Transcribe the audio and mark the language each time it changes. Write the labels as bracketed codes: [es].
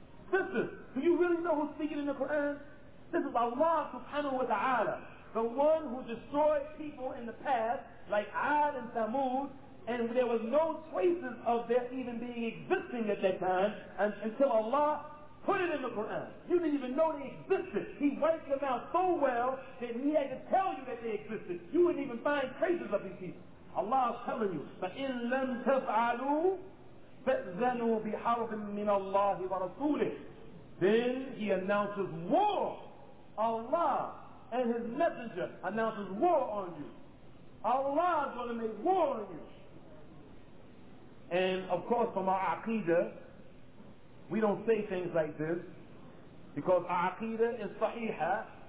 [en] Sisters, do you really know who's speaking in the Quran? This is Allah subhanahu wa ta'ala, the one who destroyed people in the past, like Ad and Thamud, and there was no traces of their even being existing at that time, and until Allah put it in the Quran. You didn't even know they existed. He wiped them out so well that he had to tell you that they existed. You wouldn't even find traces of these people. Allah is telling you, [ar] فَإِن لَمْ تَفْعَلُوا فَأْذَنُوا بِحَرْبٍ مِّنَ اللَّهِ وَرَسُولِهِ. [en] Then he announces war. Allah and his messenger announces war on you. Allah is going to make war on you. And of course, from our aqidah, we don't say things like this, because our aqidah is sahiha.